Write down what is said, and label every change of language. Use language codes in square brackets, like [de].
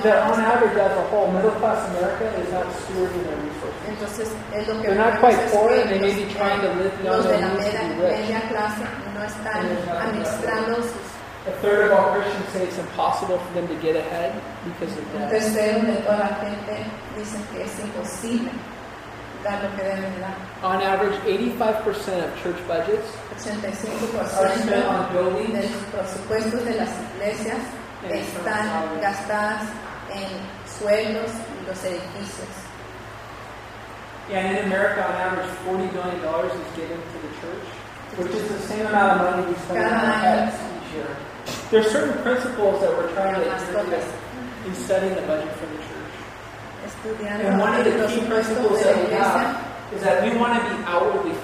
[en] that on average as a whole, middle class America is not stewarding their resources. [es] Entonces, es lo que [en] they're not quite poor, and they may be trying to live beyond their means to be rich. [es] Media clase no están administrando sus... [en] A third of all Christians say it's impossible for them to get ahead because of debt. [es] Un tercero de toda la gente dicen que es imposible. [en] On average, 85% of church budgets are spent on buildings [es] de las iglesias están gastadas en sueldos y los edificios. [en] And in America, on average, $40 billion is given to the church, which is the same amount of money we spend on our heads each year. There are certain principles that we're trying to adhere to in setting the budget for the church. And one of the key principles that we have is that we want to be outwardly.